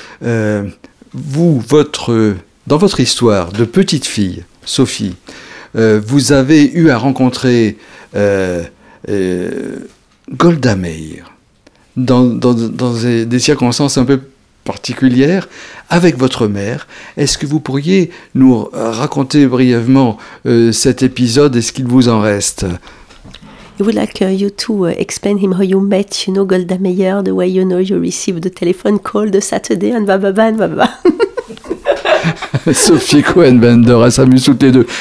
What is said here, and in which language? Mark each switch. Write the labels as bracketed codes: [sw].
[fr] Dans votre histoire de petite fille, Sophie, vous avez eu à rencontrer Golda Meir dans des circonstances un peu particulières avec votre mère. Est-ce que vous pourriez nous raconter brièvement cet épisode et ce qu'il vous en reste? [en] I would like you to explain him how you met, you know, Golda Meir, the way you know you received the telephone call the Saturday and blah blah blah and blah blah. [fr] Sophie Cohen-Bender, elles s'amusent toutes les deux.